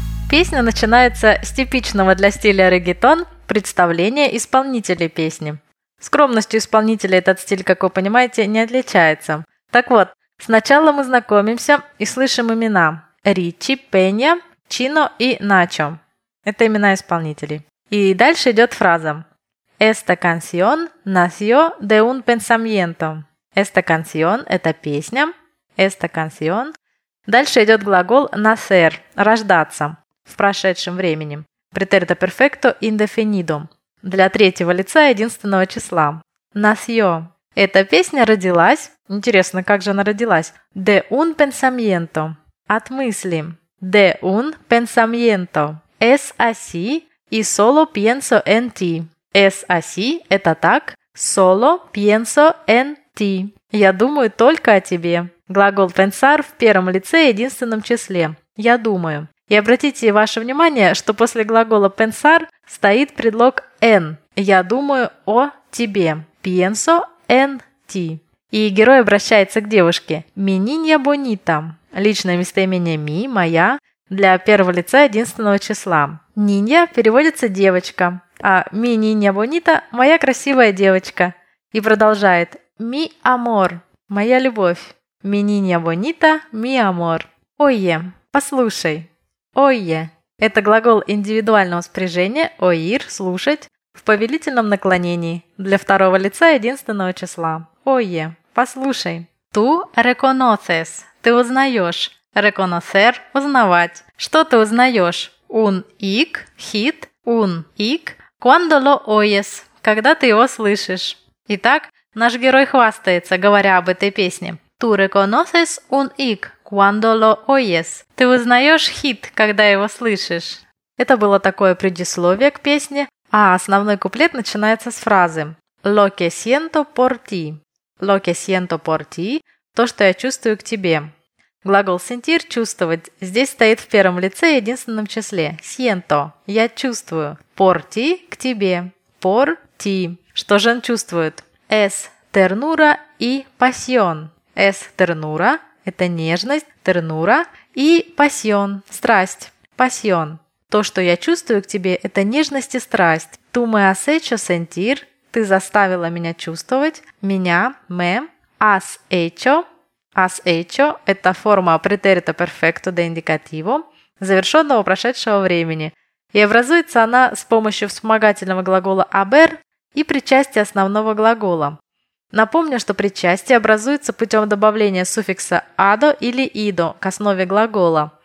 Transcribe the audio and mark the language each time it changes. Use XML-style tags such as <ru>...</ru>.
<ru>Песня начинается с типичного для стиля реггаетон представления исполнителей песни. Скромностью исполнителя этот стиль, как вы понимаете, не отличается. Так вот, сначала мы знакомимся и слышим имена. Ричи, Пеня, Чино и Начо. Это имена исполнителей. И дальше идет фраза.</ru> <es>Esta canción nació de un pensamiento. Esta canción</es> <ru>– это песня.</ru> <es>Esta canción.</es> <ru>Дальше идет глагол nacer – рождаться в прошедшем времени.</ru> <es>Pretérito perfecto indefinido.</es> <ru>Для третьего лица единственного числа. Nació. Эта песня родилась. Интересно, как же она родилась?</ru> <es>De un pensamiento.</es> <ru>От мысли.</ru> <es>De un pensamiento. Es así y solo pienso en ti. «Es así» –</es> <ru>это так,</ru> <es>Solo pienso en ti.</es> <ru>Я думаю только о тебе. Глагол pensar в первом лице и единственном числе. Я думаю. И обратите ваше внимание, что после глагола pensar стоит предлог en. Я думаю о тебе.</ru> <es>Pienso en ti.</es> <ru>И герой обращается к девушке.</ru> <es>Mi niña bonita.</es> <ru>Личное местоимение mi, моя, для первого лица единственного числа. Niña переводится девочка. А</ru> <es>mi niña bonita</es> <ru>– моя красивая девочка. И продолжает.</ru> <es>Mi amor</es> <ru>– моя любовь.</ru> <es>Mi niña bonita – mi amor.</es> <ru>Oye – послушай. Oye – это глагол индивидуального спряжения «oír» – «слушать» в повелительном наклонении для второго лица единственного числа. Oye – послушай.</ru> <es>Tú reconoces</es> <ru>– ты узнаешь. Reconocer – узнавать. Что ты узнаешь? Un ik – hit.</ru> <es>Un ik – Cuando lo oyes,</es> <ru>когда ты его слышишь. Итак, наш герой хвастается, говоря об этой песне.</ru> <es>Tú reconoces un hit cuando lo oyes.</es> <ru>Ты узнаешь хит, когда его слышишь. Это было такое предисловие к песне, а основной куплет начинается с фразы.</ru> <es>Lo que siento por ti. Lo que siento por ti.</es> <ru>То, что я чувствую к тебе. Глагол sentir – чувствовать. Здесь стоит в первом лице и единственном числе. Siento – я чувствую.</ru> <es>Por ti</es> <ru>– к тебе. Por ti. Что же он чувствует?</ru> <es>Es ternura</es> <ru>и pasión.</ru> <es>Es ternura</es> <ru>– это нежность, ternura и pasión – страсть.</ru> <es>Pasión.</es> <ru>То, что я чувствую к тебе, это нежность и страсть.</ru> <es>Tú me has hecho sentir –</es> <ru>ты заставила меня чувствовать. Меня – me. Has hecho –</ru> <es>has hecho</es> <ru>– это форма претерита перфекто де индикативо, завершенного прошедшего времени. И образуется она с помощью вспомогательного глагола haber и причастия основного глагола. Напомню, что причастие образуется путем добавления суффикса ado или ido к основе глагола.</ru>